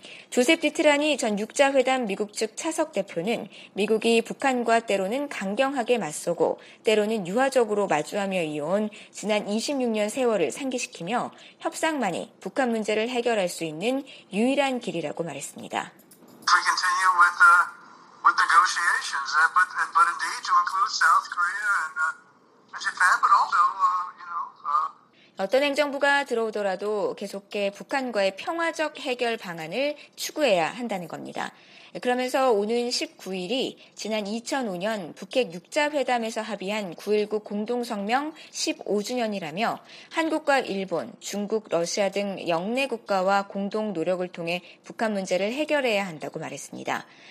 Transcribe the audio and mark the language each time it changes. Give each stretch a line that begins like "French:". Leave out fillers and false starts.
Korean: 조셉 디트라니 전 6자회담 미국 측 차석 대표는 미국이 북한과 때로는 강경하게 맞서고 때로는 유화적으로 마주하며 이어온 지난 26년 세월을 상기시키며 협상만이 북한 문제를 해결할 수 있는 유일한 길이라고 말했습니다.
English: We continue with the negotiations, but indeed to include South Korea and Japan, but also, you know,
Korean: 어떤 행정부가 들어오더라도 계속해 북한과의 평화적 해결 방안을 추구해야 한다는 겁니다. 그러면서 오는 19일이 지난 2005년 북핵 6자회담에서 합의한 9.19 공동성명 15주년이라며 한국과 일본, 중국, 러시아 등 역내 국가와 공동 노력을 통해 북한 문제를 해결해야 한다고 말했습니다.